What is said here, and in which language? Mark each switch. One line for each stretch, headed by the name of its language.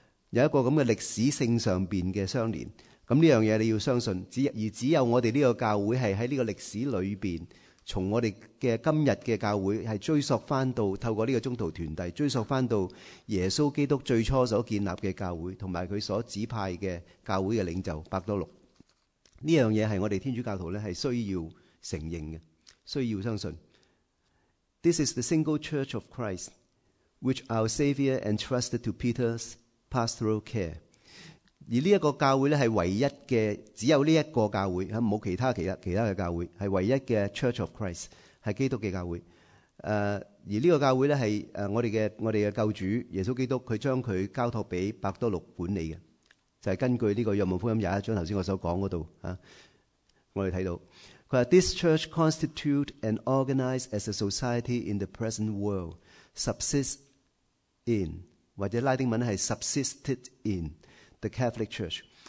Chinese: 有一个这样的历史性上面的相连。这样东西你要相信，而只有我们这个教会是在这个历史里面，从我们的今日的教会是追溯回到透过这个中途团体，追溯回到耶稣基督最初所建立的教会，和他所指派的教会的领袖伯多禄。这样东西是我们天主教徒是需要承认的，需要相信。
English: This is the single church of Christ, which our Savior entrusted to Peter's pastoral care.
Chinese: 而这个教会是唯一的，只有这个教会，没有其他的教会，是唯一的
English: church of Christ，
Chinese: 是基督的教会。而这个教会是我们的救主耶稣基督，他将他交托给伯多禄管理的。就是根据这个约望福音21章刚才我所讲的那里，我们看到。
English: This church constitutes and organized as a society in the present world, subsists in,
Chinese: 或者拉丁文是
English: subsisted in the Catholic Church.